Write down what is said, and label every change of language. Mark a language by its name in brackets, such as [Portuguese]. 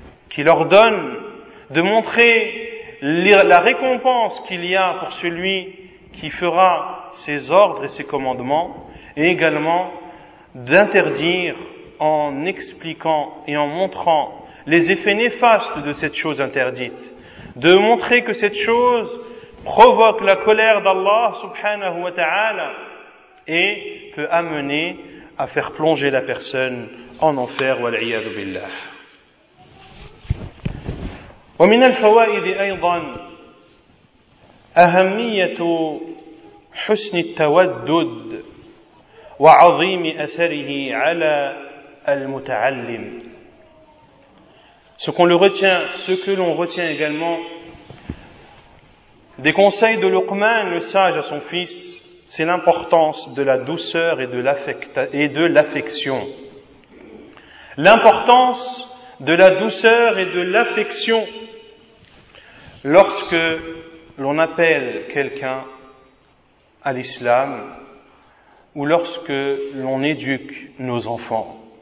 [French] qu'il ordonne, de montrer la récompense qu'il y a pour celui qui fera ses ordres et ses commandements, et également d'interdire en expliquant et en montrant les effets néfastes de cette chose interdite, de montrer que cette chose provoque la colère d'Allah subhanahu wa ta'ala et peut amener à faire plonger la personne en enfer. [Arabic] Wal'iyadu billah. ومن الفوائد أيضا أهمية حسن التودد وعظيم أثره على المتعلم. [French] Ce que l'on retient également des conseils de Luqman, le sage, à son fils, c'est l'importance de la douceur et de l'affection. L'importance de la douceur et de l'affection lorsque l'on appelle quelqu'un à l'islam ou lorsque l'on éduque nos enfants.